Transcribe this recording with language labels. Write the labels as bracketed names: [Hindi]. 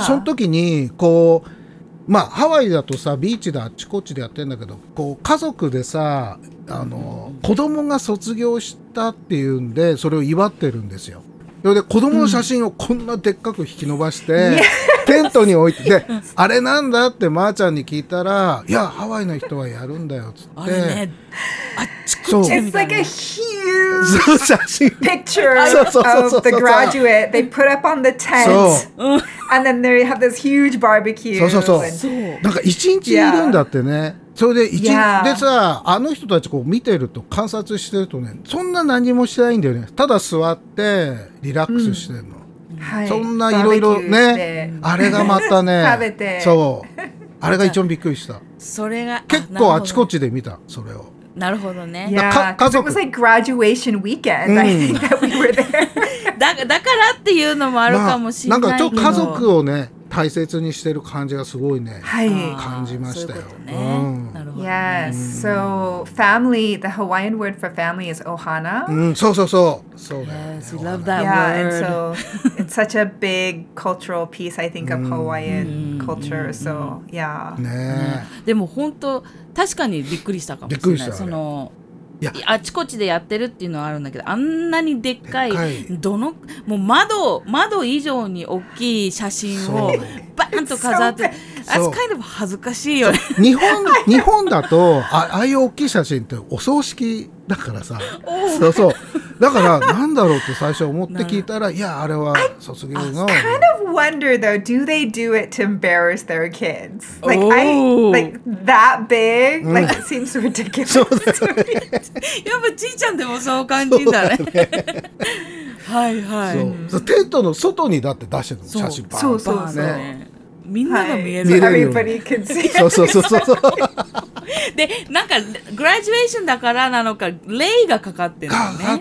[Japanese] その時にこうまあハワイだとさビーチであっちこっちでやってんだけど、こう家族でさあの、うん、子供が卒業したっていうんでそれを祝ってるんですよ。で子供の写真をこんなでっかく引き伸ばして、うん、テントに置いてであれなんだってまーちゃんに聞いたら、いやハワイの人はやるんだよっつって、あれねあっちこっちみたいな、そう写真 [English] picture of the graduate they put up on the tent and then they have this huge barbecue、 [Japanese] そうそうそう、なんか一日いるんだってね、 [English] yeah. [Japanese] それで一、 [English] yeah. [Japanese] でさあの人たちこう見てると観察してるとねそんな何もしないんだよね、ただ座ってリラックスしてるの、うん、はい、そんないろいろね、あれがまたね食べて、そうあれが一番びっくりした、それが結構あちこちで見たそれを、なるほどね、いや、 [English] yeah. [Japanese] 家族 [English] It was like graduation weekend、うん、I think that we were there [Japanese] だからっていうのもあるかもしれないけど、まあ、なんかちょっと家族をね大切にしてる感じがすごいね、はい、感じましたよ、そういうことね、うん、 [English] Yes, so family, the Hawaiian word for family is ohana. So, so, so. So, yes, we love that word. Yeah, and so it's such a big cultural piece, I think, of Hawaiian culture. So, yeah. [Japanese] ね、でも本当、確かにびっくりしたかもしれない。その、いや、あちこちでやってるっていうのはあるんだけど、あんなにでっかい、どの、もう窓以上に大きい写真をバーンと飾って、 [English] That's kind of [Japanese] 恥ずかしいよね。日本だとああいう大きい写真ってお葬式だからさ、そうそう。だからなんだろうって最初思って聞いたら、いやあれは卒業の。 [English] I kind of wonder though, do they do it to embarrass their kids? Like I like that big, like it seems ridiculous. [Japanese] そうだね。やっぱじいちゃんでもそう感じだね。はいはい。そう。テントの外にだって出してるの写真パーンパーンね。みんなが見えるように。 [English] Everybody can see. [Japanese] そうそうそうそう。でなんかグラデュエーションだからなのかレイがかかってるのね。